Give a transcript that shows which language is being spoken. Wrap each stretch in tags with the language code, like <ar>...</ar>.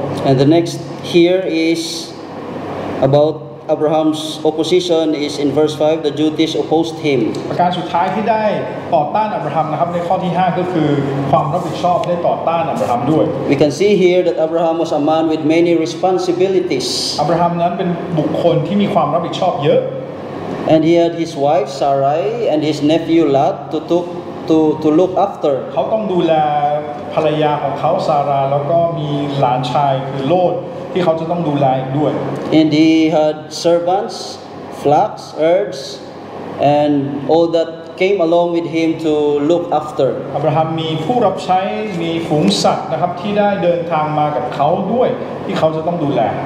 <en>And the next here is about Abraham's opposition is in verse 5 the Jews opposed him</en> <th>ประการสุดท้ายที่ได้ต่อต้านอับราฮัมนะครับในข้อที่5ก็คือความรับผิดชอบได้ต่อต้านอับราฮัมด้วย</th> <en>We can see here that Abraham was a man with many responsibilities</en> <th>อับราฮัมนั้นเป็นบุคคลที่มีความรับผิดชอบเยอะ</th> <en>And he had his wife Sarai and his nephew Lot to look after</en> <th>เขาต้องดูแลภรรยาของเขาซาร่าแล้วก็มีหลานชายคือโลดที่เขาจะต้องดูแลด้วย</th> <en>And he had servants, flocks, herds, and all that came along with him to look after.</en> <th>Abraham มีผู้รับใช้มีฝูงสัตว์นะครับที่ได้เดินทางมากับเขาด้วยที่เขาจะต้องดูแล</th>